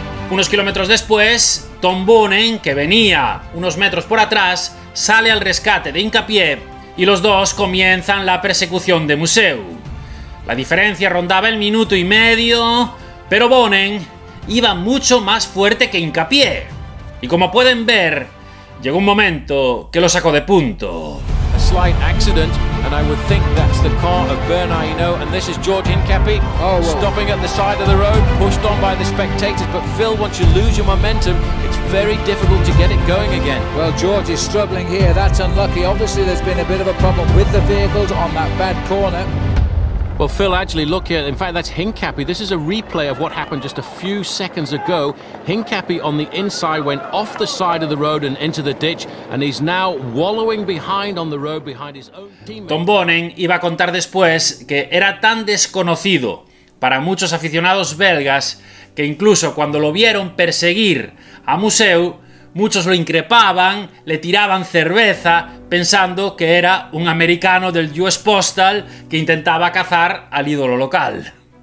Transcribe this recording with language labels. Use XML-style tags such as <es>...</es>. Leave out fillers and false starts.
<es>Unos kilómetros después, Tom Bonen, que venía unos metros por atrás, sale al rescate de Hincapié y los dos comienzan la persecución de Museu. La diferencia rondaba el minuto y medio, pero Bonen iba mucho más fuerte que Hincapié. Y como pueden ver, llegó un momento que lo sacó de punto.</es> <en>A slight accident, and I would think that's the car of Bernaino, and this is George Hincapié. Oh, well. Stopping at the side of the road, pushed on by the spectators, but Phil, once you lose your momentum, it's very difficult to get it going again. Well, George is struggling here, that's unlucky. Obviously, there's been a bit of a problem with the vehicles on that bad corner. Well, Phil, actually, look here. In fact, that's Hincapié. This is a replay of what happened just a few seconds ago. Hincapié on the inside went off the side of the road and into the ditch, and he's now wallowing behind on the road behind his own teammate.</en> <es>Tom Boonen iba a contar después que era tan desconocido para muchos aficionados belgas que incluso cuando lo vieron perseguir a Museu, muchos lo increpaban, le tiraban cerveza, pensando que era un americano del US Postal que intentaba cazar al ídolo local.</es>